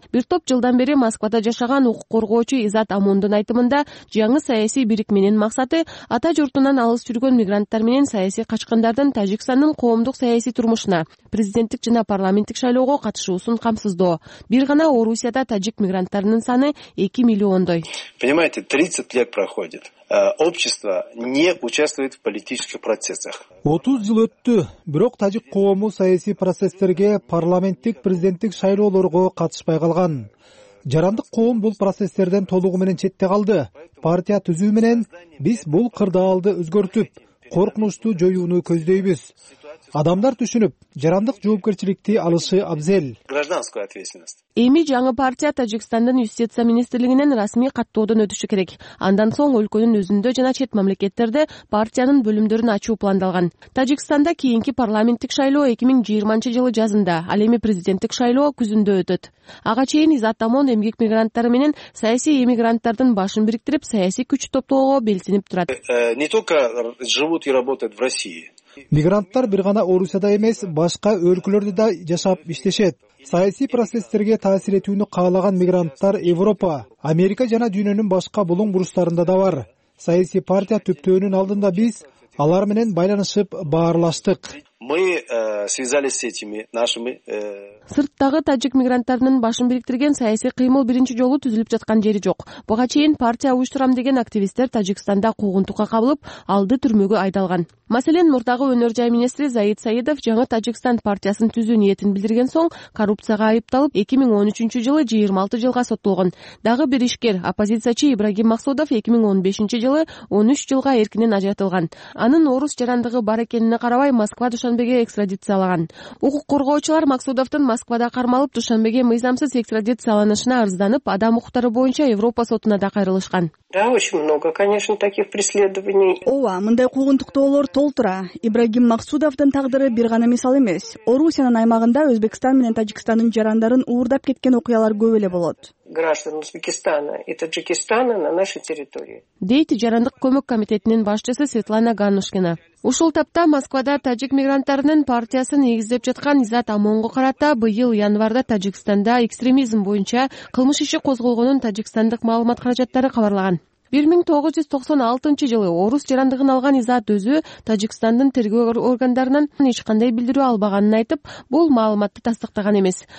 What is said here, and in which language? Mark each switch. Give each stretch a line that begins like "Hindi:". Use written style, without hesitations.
Kyrgyz: Бир топ жылдан бери Москвада жашаган укук коргоочу Изат Амундун айтымында жаңы саясий бирикминин максаты ата журтунан алыс жүргөн мигранттар менен саясий качкындардын Тажикстандын коомдук саясий турмушуна, президенттик жана парламенттик шайлоого катышуусун камсыздоо. Бир гана Орусияда тажик мигранттарынын саны 2 миллиондой.
Russian: Понимаете, 30 лет проходит. Общество не участвует в политических процессах.
Kyrgyz: 30 жыл өттү, бирок тажик коому саясий процесстерге, парламенттик, президенттик шайлоолорго катышпай калган. Жарандык коом бул процесстерден толугу менен четте калды. Партия түзүү менен биз бул кырдаалды өзгөртүп, коркунучту жоюуну көздөйбүз. Адамдар түшүнүп, жарандык жоопкерчиликти алышы абзел.
Russian: Гражданская ответственность.
Kyrgyz: Эми жаңы партия Тажикстандын юстиция министрлигинен расмий каттоодон өтүшү керек. Андан соң өлкөнүн өзүндө жана чет мамлекеттерде партиянын бөлүмдөрүн ачуу пландалган. Тажикстанда кийинки парламенттик шайлоо 2020 жылы жазында, ал эми президенттик шайлоо күзүндө өтөт. Ага чейин Изат Амон эмгек мигранттары менен саясий эмигранттардын башын бириктирип, саясий күч топтоого белсенип турат.
Russian: Не только живут и работают в России.
Kyrgyz: Мигранттар бир гана Орусияда эмес, башка өлкөлөрдө да жашап иштешет. Саясий процесстерге таасир этүүнү каалаган мигранттар Европа, Америка жана дүйнөнүн башка булуң бурчтарында да бар. Саясий партия түптөөнүн алдында биз алар менен байланышып баарлаштык.
Russian: Мы связались с этими нашими
Kyrgyz: Сырттагы тажик мигранттарынын башын бириктирген саясий кыймыл биринчи жолу түзүлүп жаткан жери жок. Буга чейин партия уюштурам деген активисттер Тажикстанда куугунтукка кабылып, алды түрмөгө айдалган. Маселен, мурдагы өнөр жай министри Заид Саидов жаңы Тажикстан партиясын түзүү ниетин билдирген соң коррупцияга айыпталып 2013 жылы 26 жылга соттолгон. Дагы бир ишкер, оппозициячы Ибрагим Максудов 2015 жылы 13 жылга эркинен ажыратылган. Анын орус жарандыгы бар экенине карабай Москва Душанбеге экстрадициялаган. Укук коргоочулар Максудовдун Москвада кармалып Душанбеге мыйзамсыз экстрадицияланышына арызданып, адам укуктары боюнча Европа сотуна да кайрылышкан.
Russian: Да, очень много, конечно, таких преследований.
Kyrgyz: Ооба, мындай куугунтуктоолор толтура. Ибрагим Максудовдун тагдыры бир гана мисал эмес. Орусиянын аймагында Өзбекстан менен Тажикстандын жарандарын уурдап кеткен окуялар көп эле болот.
Russian: Граждан Узбекистана и Таджикистана на нашей территории.
Kyrgyz: Дейт жарандык көмөк комитетинин башчысы Светлана Ганушкина. Ушул тапта Москвада тажик мигранттарынын партиясын негиздеп жаткан Изат Амонго карата быйыл январда Тажикстанда экстремизм боюнча кылмыш иши козголгонун тажикстандык маалымат каражаттары кабарлаган. 1996 жылы орус жарандыгын алган Изат өзү Тажикстандын тергөө органдарынан эч кандай билдирүү албаганын айтып, бул маалыматты тастыктаган эмес.